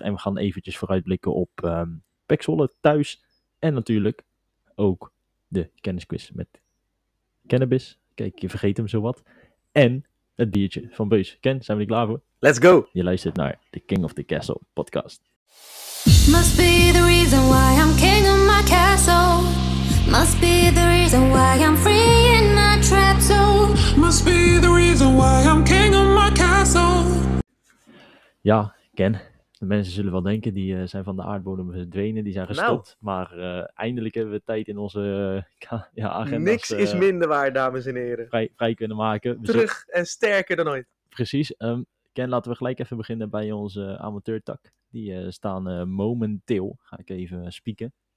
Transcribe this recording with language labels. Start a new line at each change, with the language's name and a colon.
Dutch: En we gaan eventjes vooruitblikken op PEC Zwolle thuis. En natuurlijk ook de kennisquiz met cannabis. Kijk, je vergeet hem zowat. En het biertje van Beus. Ken, zijn we er klaar voor?
English: Let's go!
Dutch: Je luistert naar de King of the Castle podcast.
English: Must be the reason why I'm king of my castle. Must be the reason why I'm free in my trap zone. Must be the reason why I'm king of my castle.
Dutch: Ja, Ken. De mensen zullen wel denken, die zijn van de aardbodem verdwenen, die zijn gestopt. Nou, maar eindelijk hebben we tijd in onze agenda's. Niks is minder waar, dames en heren. Vrij kunnen maken. Terug en sterker dan ooit. Precies. Ken, laten we gelijk even beginnen bij onze amateurtak. Die staan momenteel, ga ik even spieken.